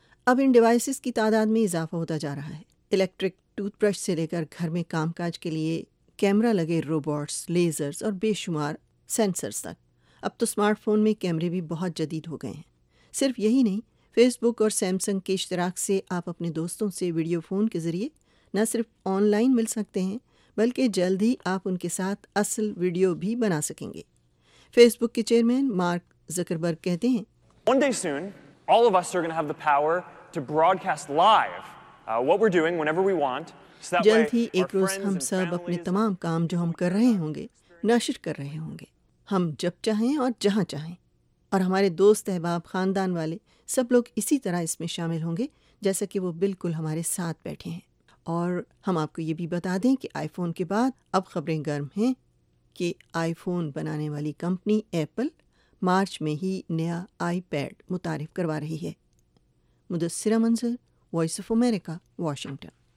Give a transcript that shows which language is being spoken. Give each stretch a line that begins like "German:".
Urdu: اب ان ڈیوائسز کی تعداد میں اضافہ ہوتا جا رہا ہے، الیکٹرک ٹوتھ برش سے لے کر گھر میں کام کاج کے لیے کیمرہ لگے روبوٹس، لیزرز اور بے شمار سینسرز تک۔ اب تو اسمارٹ فون میں کیمرے بھی بہت جدید ہو گئے ہیں۔ صرف یہی نہیں، فیس بک اور سیمسنگ کے اشتراک سے آپ اپنے دوستوں سے ویڈیو فون کے ذریعے نہ صرف آن لائن مل سکتے ہیں بلکہ جلد ہی آپ ان کے ساتھ اصل ویڈیو بھی بنا سکیں گے۔ فیس بک کے چیئرمین مارک زکربرگ کہتے ہیں،
English: One day soon, all of us are going to have the power to broadcast live what we're doing whenever we want.
Urdu: جلد ہی ایک روز ہم سب اپنے تمام کام جو ہم کر رہے ہوں گے نشر کر رہے ہوں گے، ہم جب چاہیں اور جہاں چاہیں، اور ہمارے دوست، احباب، خاندان والے سب لوگ اسی طرح اس میں شامل ہوں گے جیسا کہ وہ بالکل ہمارے ساتھ بیٹھے ہیں۔ اور ہم آپ کو یہ بھی بتا دیں کہ آئی فون کے بعد اب خبریں گرم ہیں کہ آئی فون بنانے والی کمپنی ایپل مارچ میں ہی نیا آئی پیڈ متعارف کروا رہی ہے۔ مدثرہ منظر، وائس آف امریکہ، واشنگٹن۔